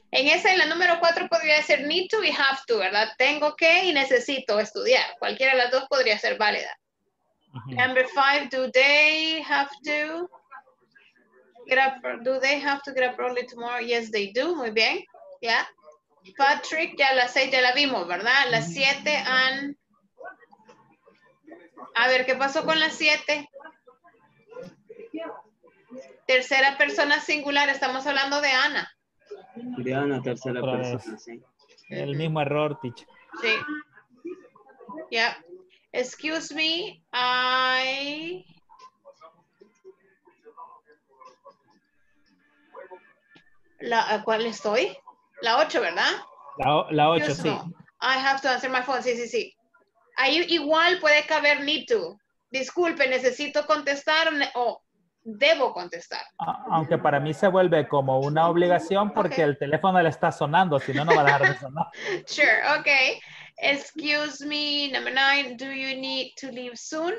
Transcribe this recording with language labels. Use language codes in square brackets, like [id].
[es] En esa, en la número cuatro, podría ser need to y have to, ¿verdad? Tengo que y necesito estudiar. Cualquiera de las dos podría ser válida. Uh-huh. [en] Number five, do they have to get up early tomorrow? Yes, they do. [es] Muy bien. [en] Yeah. [es] Patrick, ya las seis ya la vimos, ¿verdad? Las siete and... A ver, ¿qué pasó con las siete? Tercera persona singular, estamos hablando de Ana. De Ana, tercera otra persona, vez. Sí. El mismo error, teacher. [en] Sí. Yeah. Excuse me, I... [es] ¿cuál estoy? La ocho, ¿verdad? La ocho, sí. [en] I have to answer my phone, [es] sí, sí, sí. Ahí igual puede caber need to. Disculpe, necesito contestar debo contestar. Aunque para mí se vuelve como una obligación porque okay. El teléfono le está sonando, si no, no va a dejar de sonar. [en] Sure, okay. Excuse me, number nine, do you need to leave soon?